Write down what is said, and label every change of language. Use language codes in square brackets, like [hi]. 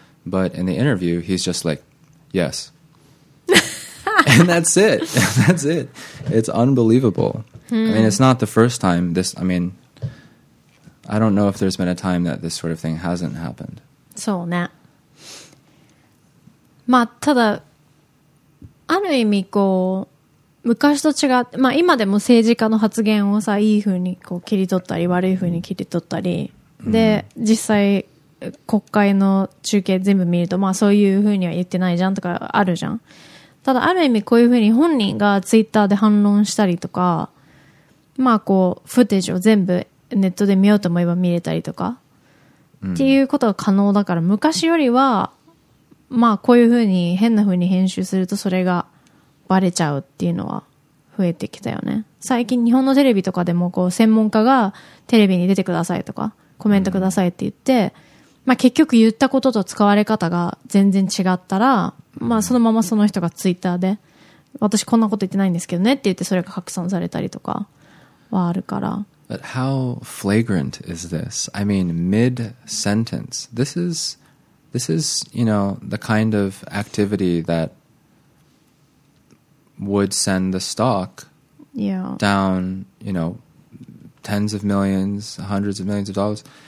[en] But in the interview, he's just like, yes. And that's it. That's it. It's unbelievable. Hmm. I mean, it's not the first time this, I mean, I don't know if there's been a time that this sort of thing hasn't happened. [ja] そうね。まあ、ただ、ある意味こう、昔と違って、まあ今でも政治家の発言をさ、いい風にこう切り取ったり、悪い風に切り取ったり、で、実際国会の中継全部見ると、まあそういう風には言ってないじゃんとかあるじゃん。ただある意味こういう風に本人がツイッターで反論したりとか、まあこう、フーテージを全部ネットで見ようと思えば見れたりとか、っていうことが可能だから、昔よりは、まあこういうふうに変なふうに編集するとそれがバレちゃうっていうのは増えてきたよね。最近日本のテレビとかでもこう専門家がテレビに出てくださいとかコメントくださいって言って、まあ結局言ったことと使われ方が全然違ったら、まあそのままその人がツイッターで、私こんなこと言ってないんですけどねって言ってそれが拡散されたりとかはあるから。 [en] But how flagrant is this? I mean, mid-sentence. This is, you know, the kind of activity that would send the stock down, you know, tens of millions, hundreds of millions of dollars.